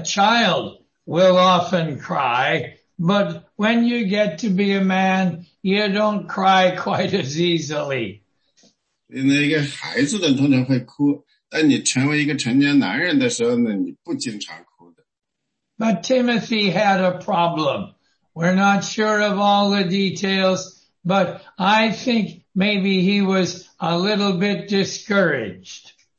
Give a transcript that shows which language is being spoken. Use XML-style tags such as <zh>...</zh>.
<en>child will often cry, but when you get to be a man, you don't cry quite as easily.</en> <zh>那一个孩子的通常会哭,但你成为一个成年男人的时候呢,你不经常哭的。</zh> <en>But Timothy had a problem. We're not sure of all the details, but I think maybe he was a little bit discouraged.</en>